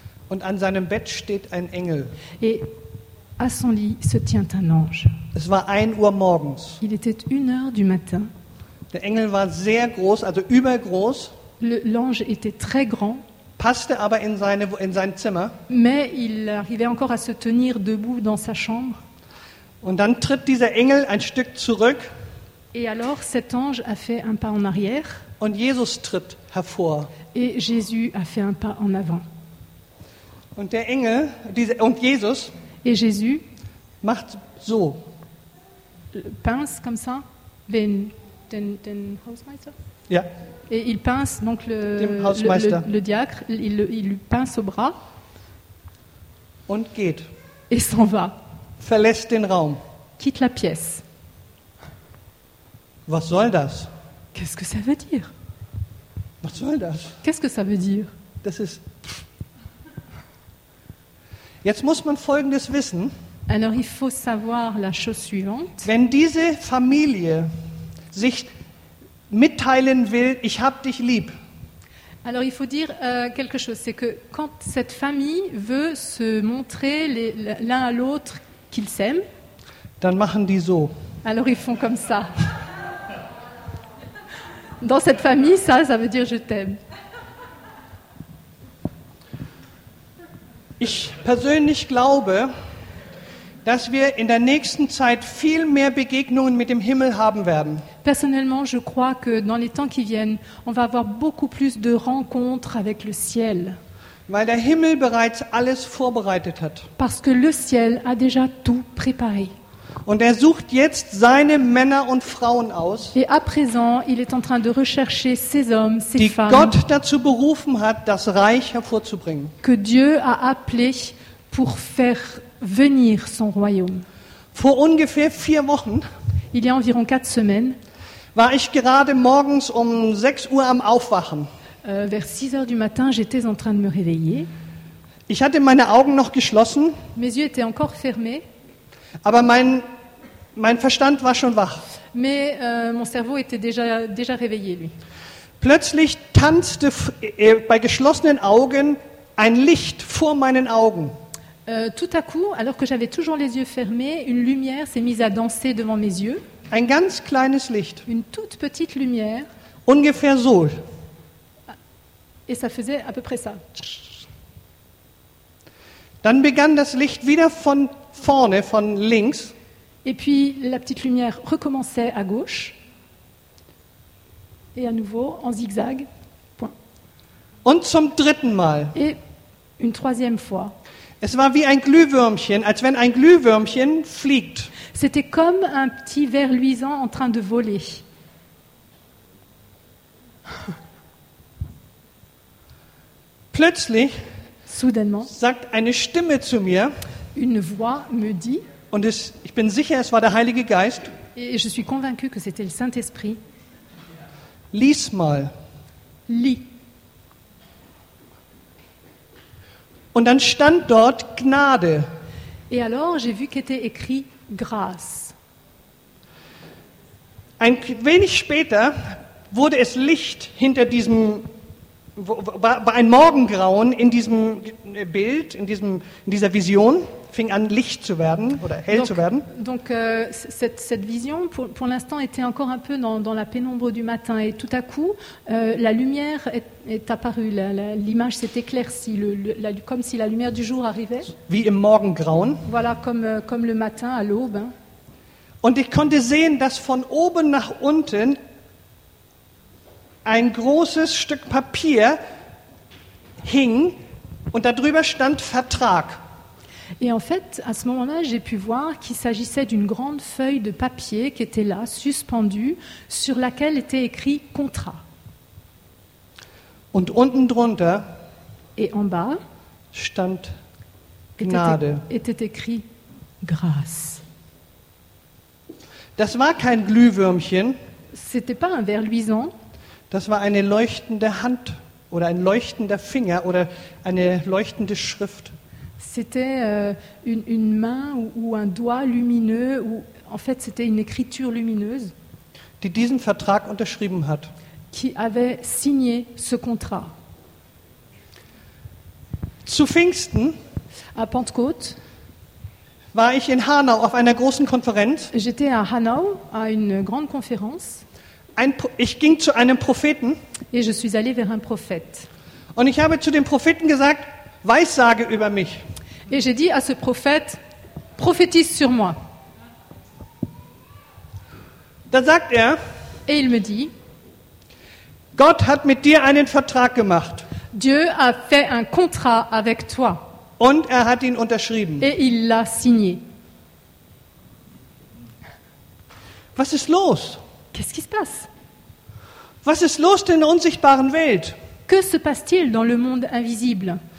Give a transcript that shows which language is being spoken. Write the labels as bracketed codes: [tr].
[de] Und an seinem Bett steht ein Engel. [fr] Et à son lit se tient un ange. [de] Es war 1 Uhr morgens. [fr] Il était 1h du matin. [de] Der Engel war sehr groß, also übergroß. [fr] L'ange était très grand. [de] Passte aber in sein Zimmer. [fr] Mais il arrivait encore à se tenir debout dans sa chambre. [de] Und dann tritt dieser Engel ein Stück zurück. [fr] Et alors cet ange a fait un pas en arrière. [de] Und Jesus tritt hervor. [fr] Et Jésus a fait un pas en avant. [de] Und der Engel, Jesus. [fr] Et Jésus [de] macht so. [fr] Pince comme ça. [de] Den Hausmeister. Ja. [fr] Et il pince donc le diacre, il lui pince au bras. [de] Und geht. [fr] Et s'en va. [de] Verlässt den Raum. [fr] Quitte la pièce. [de] Was soll das? [fr] Qu'est-ce que ça veut dire? [de] Was soll das? [fr] Qu'est-ce que ça veut dire? [de] Das ist. Jetzt muss man Folgendes wissen. [fr] Alors il faut savoir la chose suivante. [de] Wenn diese Familie sich mitteilen will, ich hab dich lieb. [fr] Alors il faut dire quelque chose, c'est que quand cette famille veut se montrer l'un à l'autre qu'ils s'aiment, [de] dann machen die so. [fr] Alors ils font comme ça. Dans cette famille, ça veut dire je t'aime. [de] Ich persönlich glaube, dass wir in der nächsten Zeit viel mehr Begegnungen mit dem Himmel haben werden. [fr] Personnellement, je crois que dans les temps qui viennent, on va avoir beaucoup plus de rencontres avec le ciel. [de] Weil der Himmel bereits alles vorbereitet hat. [fr] Parce que le ciel a déjà tout préparé. [de] Und sucht jetzt seine Männer und Frauen aus. [fr] Et à présent, il est en train de rechercher ses hommes, ses [de] die [fr] femmes. [de] Gott dazu berufen hat, das Reich hervorzubringen. [fr] Que Dieu a appelé pour faire venir son royaume. [de] Vor ungefähr 4 Wochen, [fr] il y a environ 4 semaines, [de] war ich gerade morgens um 6 Uhr am Aufwachen. [fr] Vers 6 heures du matin, j'étais en train de me réveiller. [de] Ich hatte meine Augen noch geschlossen. [fr] Mes yeux étaient encore fermés. [de] Aber mein Verstand war schon wach. [fr] Mais mon cerveau était déjà réveillé, lui. [de] Plötzlich tanzte bei geschlossenen Augen ein Licht vor meinen Augen. [fr] Tout à coup, alors que j'avais toujours les yeux fermés, une lumière s'est mise à danser devant mes yeux. [de] Ein ganz kleines Licht. [fr] Une toute petite lumière. [de] Ungefähr so. [fr] Et ça faisait à peu près ça. [de] Dann begann das Licht wieder von vorne, von links. [fr] Et puis la petite lumière recommençait à gauche. Et à nouveau en zigzag. Point. [de] Und zum dritten Mal. [fr] Et une troisième fois. [de] Es war wie ein Glühwürmchen, als wenn ein Glühwürmchen fliegt. [fr] C'était comme un petit ver luisant en train de voler. [de] Plötzlich, [fr] soudainement, [de] sagt eine Stimme zu mir, [fr] une voix me dit, [de] und es, ich bin sicher, es war der Heilige Geist, [fr] et je suis convaincu que c'était le Saint-Esprit, [de] lies mal. [fr] Lis. [de] Und dann stand dort Gnade. [fr] Et alors, j'ai vu qu'était écrit grâce. [de] Ein wenig später wurde es Licht hinter diesem, war ein Morgengrauen in diesem Bild, in dieser Vision, fing an Licht zu werden oder hell [fr] donc, [de] zu werden. [fr] Donc cette vision pour l'instant était encore un peu dans la pénombre du matin et tout à coup la lumière est apparue, l'image s'est éclaircie, comme si la lumière du jour arrivait. [de] Wie im Morgengrauen. [fr] Voilà, comme le matin à l'aube. Hein. [de] Und ich konnte sehen, dass von oben nach unten ein großes Stück Papier hing und darüber stand Vertrag. [fr] Et en fait, à ce moment-là, j'ai pu voir qu'il s'agissait d'une grande feuille de papier qui était là, suspendue, sur laquelle était écrit « contrat ». [de] Und unten drunter, [fr] et en bas, [de] stand Gnade. [fr] Était écrit « grâce ». [de] Das war kein Glühwürmchen. [fr] C'était pas un ver luisant. [de] Das war eine leuchtende Hand oder ein leuchtender Finger oder eine leuchtende Schrift. [fr] C'était une main ou un doigt lumineux ou en fait c'était une écriture lumineuse [de] die diesen Vertrag unterschrieben hat. [fr] Qui avait signé ce contrat. [de] Zu Pfingsten, [fr] à Pentecôte, [de] war ich in Hanau auf einer großen Konferenz. [fr] J'étais à Hanau à une grande conférence. [de] Ich ging zu einem Propheten. [fr] Et je suis allé vers un prophète. [de] Und ich habe zu dem Propheten gesagt, Weissage über mich. [fr] Et j'ai dit à ce prophète, prophétise sur moi. [de] Dann sagt er, [fr] et il me dit, [de] Gott hat mit dir einen Vertrag gemacht. [fr] Dieu a fait un contrat avec toi. [de] Und er hat ihn unterschrieben. [fr] Et il l'a signé. [de] Was ist los? [fr] Qu'est-ce qui se passe? [de] Was ist los in der unsichtbaren Welt? [fr] Que se passe-t-il dans le monde invisible?